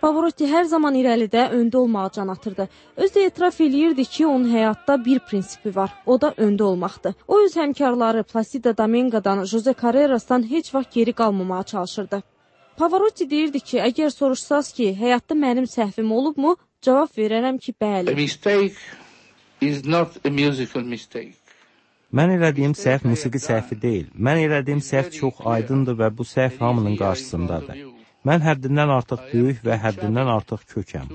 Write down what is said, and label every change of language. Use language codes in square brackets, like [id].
[az] Pavarotti hər zaman irəlidə öndə olmağa can atırdı. Öz də etiraf eləyirdi ki, onun həyatda bir prinsipi var, o da öndə olmaqdır. O öz həmkarları Placido Domingo'dan, Jose Carreras'dan heç vaxt geri qalmamağa çalışırdı. Pavarotti deyirdi ki, əgər soruşsaz ki, həyatda mənim səhvim olubmu, cavab verərəm ki, bəli. [en] A mistake is not a musical mistake. [az] Mən elədiyim səhv musiqi səhvi deyil. Mən elədiyim səhv çox aydındır və bu səhv hamının qarşısındadır. Mən həddindən artıq böyük və həddindən artıq kökəm.